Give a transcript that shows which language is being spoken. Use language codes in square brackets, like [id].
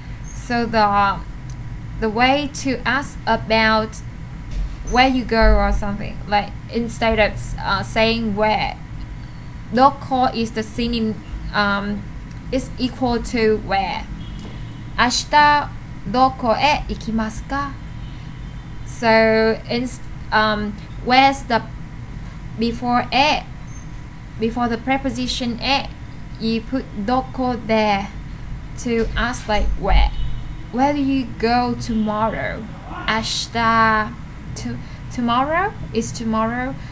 [en] So the way to ask about where you go or something, like instead of saying where, どこ is the synonym, is equal to where. [ja] 明日どこへ行きますか? [en] So, where's the before e, before the preposition e, you put doko there to ask like where do you go tomorrow? Ashita tomorrow is tomorrow.